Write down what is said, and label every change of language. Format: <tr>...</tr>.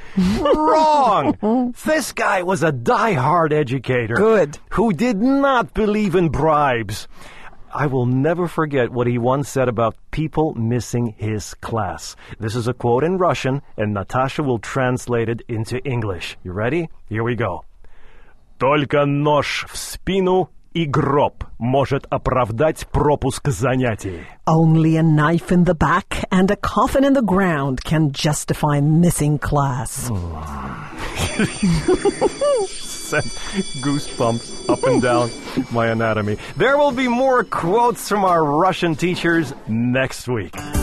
<en>Wrong! This guy was a diehard educator. Good. Who did not believe in bribes. I will never forget what he once said about people missing his class. This is a quote in Russian, and Natasha will translate it into English. You ready? Here we go.</en> <ru>Только нож в спину и гроб может оправдать пропуск занятий.</ru> <en>Only a knife in the back and a coffin in the ground can justify missing class. Sent goosebumps up and down my anatomy. There will be more quotes from our Russian teachers next week.</en>